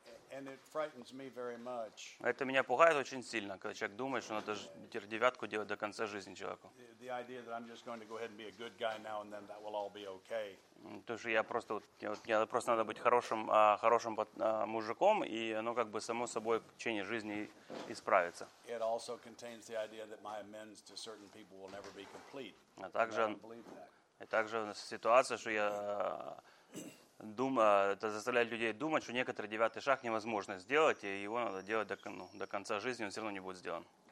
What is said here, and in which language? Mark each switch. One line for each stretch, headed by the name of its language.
English: And it frightens me very much.
Russian: Это меня пугает очень сильно, когда человек думает, что надо девятку делать до конца жизни человеку.
English: The idea that I'm just going to go ahead and be a good guy now and then that will all be okay.
Russian: То есть мне просто надо быть хорошим мужиком, и оно само собой в течение жизни исправится.
English: It also contains the idea that my amends to certain people will never be complete.
Russian: А также ситуация, что я думаю, это заставляет людей думать, что некоторый девятый шаг невозможно сделать, и его надо делать до конца жизни, он все равно не будет сделан.